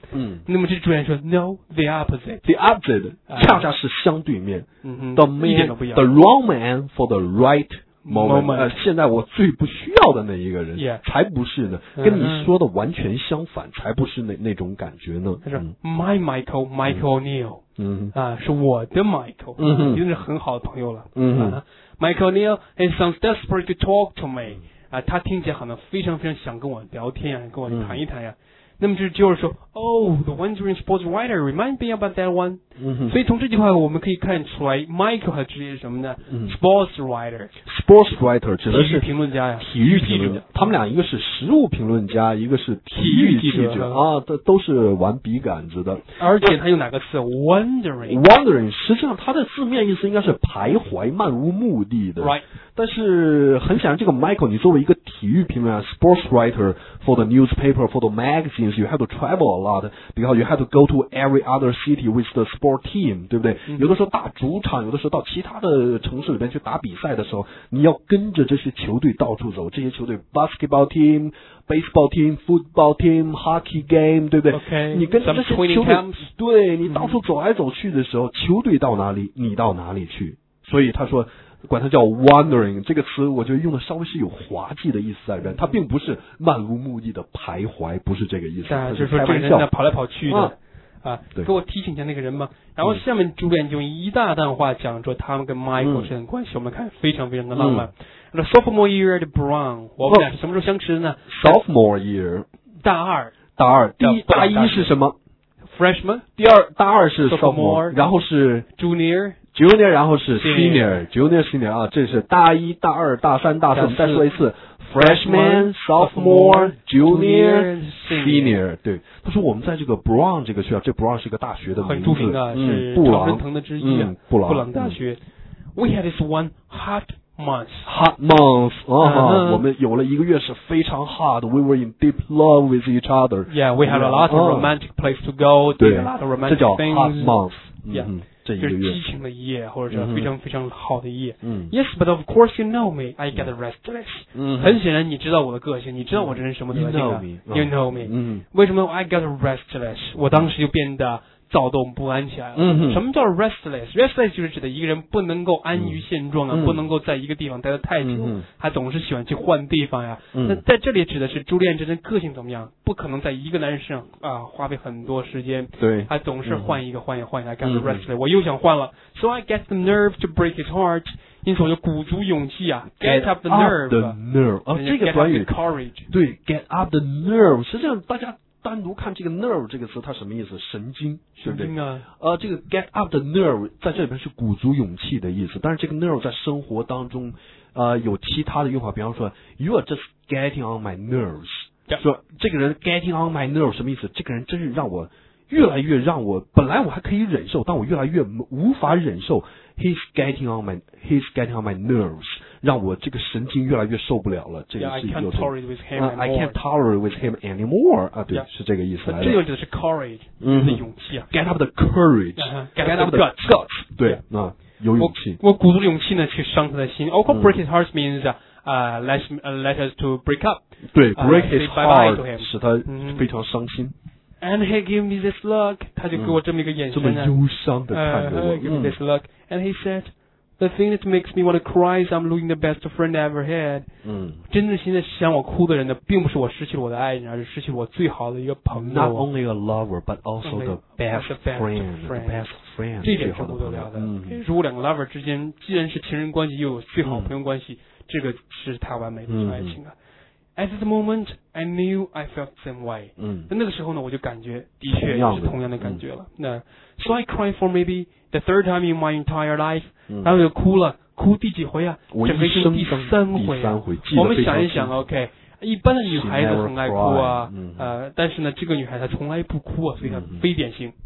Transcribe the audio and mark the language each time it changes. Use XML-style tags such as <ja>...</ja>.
<zh>嗯，那么这朱恋说</zh> <en>No, the opposite.</en> <zh>The opposite, 恰恰是相对面。嗯哼，</zh> <en>到The wrong man for the right moment.</en> <zh>现在我最不需要的那一个人、 yeah. 才不是呢，跟你说的完全相反、mm-hmm. 才不是那种感觉呢。</zh> <en>他说 My Michael O'Neill、 mm-hmm.</en> <zh>啊、是我的 Michael、 mm-hmm. 已经是很好的朋友了、 mm-hmm. 啊、</zh> <en>Michael O'Neill, he sounds desperate to talk to me、</en> <zh>啊、他听起来好像非常非常想跟我聊天、啊、跟我谈一谈呀、啊。 Mm-hmm.</zh> <en>那么就是就是说 Oh, the wandering sports writer remind me about that one、嗯、</en> <zh>所以从这句话我们可以看出来 Michael 还指的是什么呢、嗯、</zh> <en>Sports</en> <zh>writer 指的是体育评论家呀，体育评论家，他们俩一个是食物评论家，一个是体育记 者, 育记者啊，都是玩笔杆子的。而且他用哪个词 Wandering Wandering 实际上他的字面意思应该是徘徊漫无目的的、 right. 但是很显然，这个</zh> <en>Michael，</en> <zh>你作为一个体育评论员</zh> <en>，sports writer for the newspaper for the magazines， you have to travel a lot， 比如说 you have to go to every other city with the sport team， 对不对？</en> <zh>有的时候打主场，有的时候到其他的城市里边去打比赛的时候，你要跟着这些球队到处走，这些球队 basketball team。</zh> <en>baseball team, football team, hockey game, 对不对 okay,</en> <zh>你跟这些球队对你到处走来走去的时候、mm-hmm. 球队到哪里你到哪里去，所以他说管他叫 wandering, 这个词我觉得用的稍微是有滑稽的意思在里面，他并不是漫无目的的徘徊，不是这个意思，就是说这个人跑来跑去的、嗯啊，给我提醒一下那个人吗？然后下面主编就用一大段话讲说他们跟 Michael 是很关系、嗯、我们看非常非常的浪漫、嗯、</zh> <en>Sophomore year at Brown</en> <zh>我们俩是什么时候相识的呢、</zh> <en>Sophomore year</en> <zh>大二第一大一是什么</zh> <en>Freshman</en> <zh>第二大二是</zh> <en>Sophomore</en> <zh>然后是</zh> <en>Junior</en> <zh>然后是</zh> <en>Senior</en> <zh>啊，这是大一大二大三大四，再说一次Freshman,</zh> <en>sophomore, junior, senior.</en> <zh>对，他说我们在这个 Brown 这个学校，这 Brown 是一个大学的名字，很著名的，是常春藤的之一、嗯，布朗大学、嗯。</zh> <en>We had this one hot month. Hot month.</en> <zh>啊、我们有了一个月是非常 hot.</zh> <en>We were in deep love with each other. Yeah, we had a lot of romantic place to go.</en> <zh>对</zh> <en>a lot of romantic things.</en> <zh>这叫 hot month. Yeah.、嗯这一个月，就是激情的一夜，或者是非常非常好的一夜。嗯。</zh> <en>Yes, but of course you know me. I get restless. 嗯。</en> <zh>很显然，你知道我的个性，你知道我这人什么德行的。</zh> <en>You know me. You know me. 嗯。为什么 I get restless？</en> <zh>我当时就变得躁动不安起来了。嗯。什么叫 restless？ Restless 就是指的一个人不能够安于现状啊，不能够在一个地方待得太久，他总是喜欢去换地方呀。嗯。那在这里指的是朱丽叶真的个性怎么样？不可能在一个男人身上啊、花费很多时间。对。他总是换一个换一个换一个 ，get restless， 我又想换了。</zh> <en>So I get the nerve to break his heart。</en> <zh>因此我就鼓足勇气啊 ，get up the nerve。</zh> <en>The nerve。 啊，这个短语。 Courage。</en> <zh>对 ，get up the nerve。实际上大家单独看这个 nerve 这个词，它什么意思？神经，神经啊。这个 get up the nerve 在这里边是鼓足勇气的意思，但是这个 nerve 在生活当中，有其他的用法，比方说 ，you are just getting on my nerves。说这个人 getting on my nerves 什么意思？这个人真是让我越来越让我，本来我还可以忍受，但我越来越无法忍受。</zh> <en>He's getting on my nerves，</en> <zh>让我这个神经越来越受不了了。这个是有点。Yeah,</zh> <en>I can't tolerate with him anymore。</en> <zh>啊，对， yeah. 是这个意思。这就是 courage， 的勇气啊。</zh> <en>Get up the courage，、 get up the guts，</en> <zh>对，啊，有勇气。我鼓足勇气呢，去伤他的心。</zh> <en>Of course, break his heart means let us to break up。对 ，break his heart， bye bye to him.</en> <zh>使他非常伤心。</zh> <en>And he gave me this look， 他就给我这么一个眼神，</en> <zh>这么忧伤的看着我。</zh> <en>Give me this look， and he said， the thing that makes me want to cry is I'm losing the best friend I ever had。嗯，</en> <zh>真正现在想我哭的人呢，并不是我失去了我的爱人，而是失去了我最好的一个朋友。</zh> <en>Not only a lover， but also the best friend， the best friend，</en> <zh>这点是不得了的。如果两个 lover 之间既然是情人关系，又有最好朋友关系，这个是太完美的爱情了。</zh> <en>At this moment, I knew I felt the same way. 嗯，</en> <zh>那个时候呢，我就感觉的确也是同样的感觉了。</zh> <en>那 So I cried for maybe the third time in my entire life.</en> <zh>然后就哭了，哭第几回啊？我一生第三回。第三回，我们想一想 ，OK， 一般的女孩子很爱哭啊，</zh> <en>cry,</en> <zh>但是呢，这个女孩她从来不哭啊，所以她非典型。</zh>